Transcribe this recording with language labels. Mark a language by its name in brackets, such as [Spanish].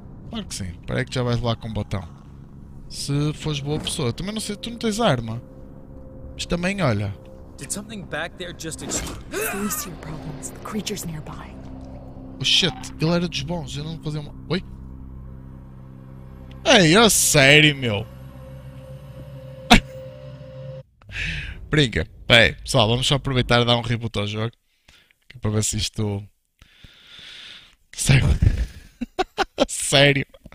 [Portuguese] Claro que sim. Espera aí que já vais lá com o botão. Se fores boa pessoa. Também não sei, tu não tens arma. Mas também, olha. [English] Did something back there just explode? Problems. The creatures nearby. Oh shit, [Portuguese] ele era dos bons, eu não fazia uma. Oi? Ei, a sério, meu? Brinca. Bem, pessoal, vamos só aproveitar e dar um reboot ao jogo. Que é para ver se isto. Sério. Sério.